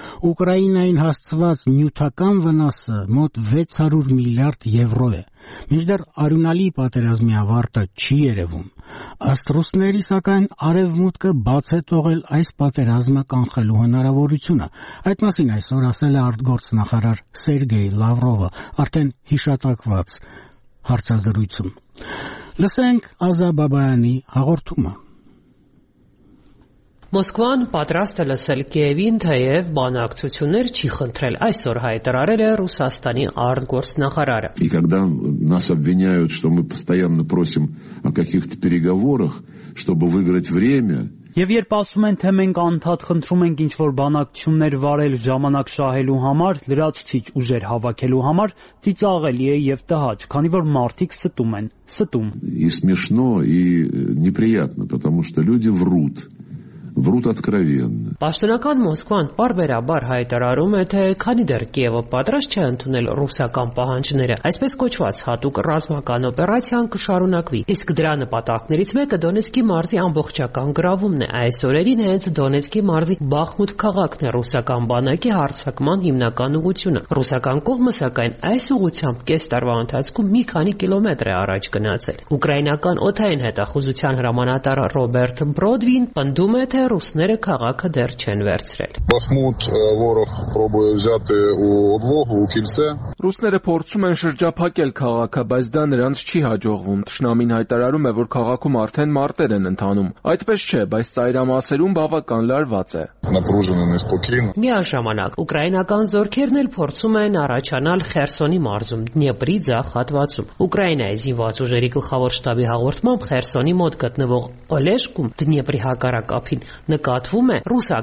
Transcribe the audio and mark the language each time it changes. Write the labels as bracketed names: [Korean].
[Armenian] Ուկրաինային հասցված նյութական վնասը մոտ 600 միլիարդ եվրո է։ Մինչդեռ արյունալի պատերազմի ավարտը չի երևում։ Ըստ ռուսների, սակայն, արևմուտքը բաց է թողել այս պատերազմը կանխելու հնարավորությունը։ Այդ մասին այսօր ասել է արտգործնախարար Սերգեյ Լավրովը, արդեն հիշատակված հարցազրույցում։ Լսենք Ազա Բաբայանի հաղորդումը։ Մոսկվան պատրաստ է լսել Կիևին, թեև բանակցություններ չի խնդրել, այսօր հայտարարել է Ռուսաստանի արտգործնախարարը։ [Russian] И когда нас обвиняют, что мы постоянно просим о каких-то переговорах, чтобы выиграть время, [Armenian] Եվ երբ ասում են, թե մենք անդադ խնդրում ենք ինչ-որ բանակցություններ վարել ժամանակ շահելու համար, լրացուցիչ ուժեր հավաքելու համար, ծիծաղելի է եւ տհաճ, քանի որ մարդիկ ստում են, ստում։ [Russian] И смешно и неприятно, потому что люди врут. Врут откровенно. [Armenian] Պաշտոնական Մոսկվան պարբերաբար հայտարարում է, թե քանի դեռ Կիևը պատրաստ չէ ընդունել ռուսական պահանջները, այսպես կոչված հատուկ ռազմական օպերացիան կշարունակվի, իսկ դրա նպատակներից մեկը Դոնեցկի մարզի ամբողջական գրավումն է։ Այս օրերին հենց Դոնեցկի մարզի Բախմուտ քաղաքն է ռուսական բանակի հարձակման հիմնական ուղությունը։ Ռուսական կողմը, սակայն, այս ուղությամբ կես տարվա ընթացքում մի քանի կիլոմետր է առաջ գնացել։ Ուկրաինական օթային հետախուզության հրամանատար Ռոբերտ Բրոդվին պնդում է, թե ռուսները քաղաքը դեռ չեն վերցրել։ [Ukrainian] Բախմուտ ворог пробує взяти у одвогу у кільце։ [Armenian] Ռուսները փորձում են շրջափակել քաղաքը, բայց դա նրանց չի հաջողվում։ Թշնամին հայտարարում է, որ քաղաքում արդեն մարտեր են ընթանում։ Այդպես չէ, բայց ծայրամասերում բավական լարված է։ Միաժամանակ ուկրաինական զորքերն էլ փորձում են առաջանալ Խերսոնի մարզում, Դնեպրի ձախ հատվածում։ Ուկրաինայի զինված ուժերի գլխավոր շտաբի հաղորդմամբ Խերսոնի մոտ գտնվող Օլեշկում Դնեպրի հակառակ ափին նկատվում է ռուսական